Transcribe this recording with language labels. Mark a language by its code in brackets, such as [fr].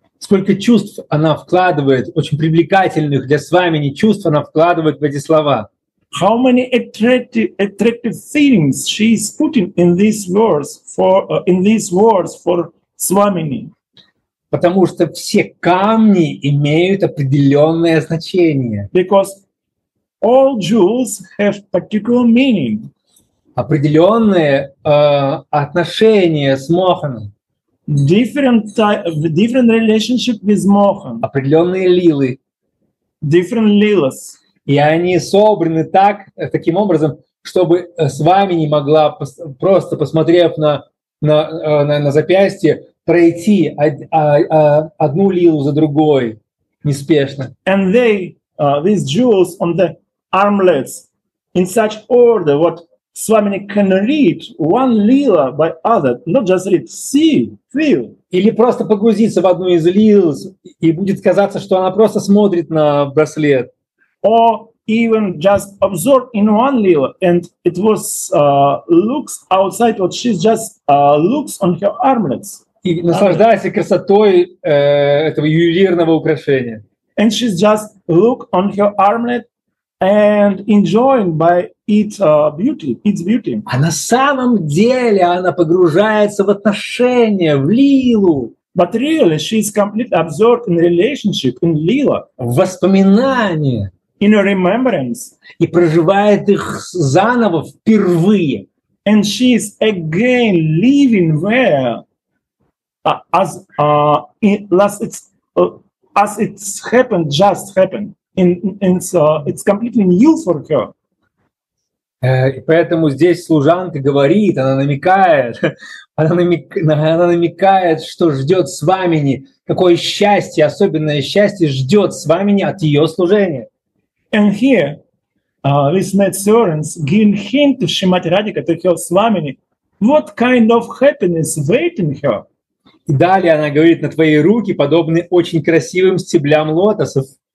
[ru] Сколько чувств она вкладывает, очень привлекательных для свамини чувств она вкладывает в эти слова. [en] How many attractive things she is putting in these words for in these words for свамини? [ru] Потому что все камни имеют определенное значение. [en] Because all jewels have particular meaning. [ru] Определенные отношения с Моханом. [en] Different relationship with Mohan. [ru] Определенные лилы. [en] Different lilas. [ru] И они собраны так, таким образом, чтобы с вами не могла, просто посмотрев на запястье, пройти одну лилу за другой неспешно. [en] And they, these jewels on the armlets, in such order, what Swamini can read one lila by other, not just read, see, feel. [ru] Или просто погрузиться в одну из лил, и будет казаться, что она просто смотрит на браслет. [en] Or even just absorb in one lila, and it was looks outside, what she's just looks on her armlets. [ru] И наслаждается красотой этого ювелирного украшения. [en] And she's just look on her armlet, and enjoying by its beauty, its beauty. [ru] А на самом деле она погружается в отношения, в лилу. [en] But really, she is completely absorbed in relationship, in lila. [ru] В воспоминания. [en] In a remembrance. [ru] И проживает их заново, впервые. [en] And she is again living where, as as it's happened, just happened. It's completely new for her. [ru] И поэтому здесь служанка говорит, она намекает, что ждет свамини, какое счастье, особенное счастье ждет свамини от ее служения. [en] And here, this maid servant gives hint to Shrimati Radhika to her swamini what kind of happiness waiting her. [ru] И далее она говорит: на твои руки подобны очень красивым стеблям лотосов.